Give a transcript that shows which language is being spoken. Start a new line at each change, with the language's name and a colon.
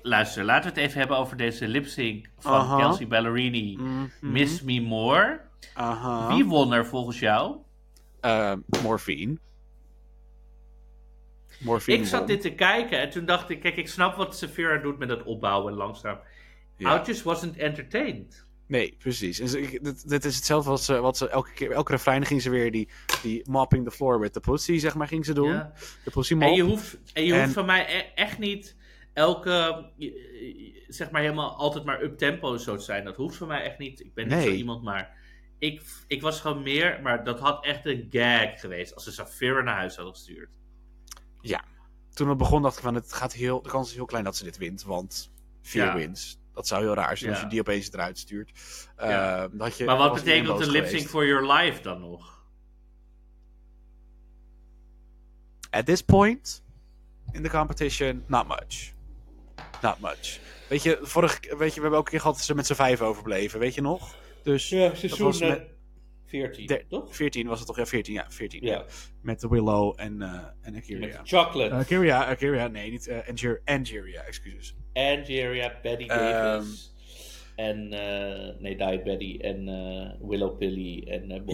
Dutch: Luister, laten we het even hebben over deze lip-sync van Kelsey Ballerini. Mm-hmm. Miss Me More. Uh-huh. Wie won er volgens jou? Morphine. Ik zat dit te kijken en toen dacht ik... Kijk, ik snap wat Saphira doet met dat opbouwen langzaam.
English: Ja. I just wasn't entertained.
Dutch: Nee, precies. En dit is hetzelfde als wat ze elke keer... Elke refrein ging ze weer die
English: mopping the floor with the pussy,
Dutch: zeg maar, ging ze doen. Ja. De pussy mop. En je hoeft van mij echt niet elke... Zeg maar helemaal altijd maar up-tempo zo te zijn. Dat hoeft van mij echt niet. Ik ben niet zo iemand, maar... Ik was gewoon meer... Maar dat had echt een gag geweest als ze Saphira naar huis hadden gestuurd. Ja. Toen het begon dacht ik van, de kans is heel klein dat ze dit wint, want vier wins. Dat zou heel raar zijn als je die opeens eruit stuurt. Maar wat betekent een lip sync for your life dan nog?
English: At this point in the competition, not much. Not much.
Dutch: Weet je, we hebben ook een keer gehad dat ze met z'n vijf overbleven, weet je nog? Dus ja, seizoen was met 14, toch? 14 was het toch? Ja, 14. Ja, 14. Ja. Met Willow en Akira. Met
English: chocolate.
Dutch: Akira, nee, niet Angeria, excuses. Angeria, Betty Davis. Diet Betty en Willow Pilly en Bosco.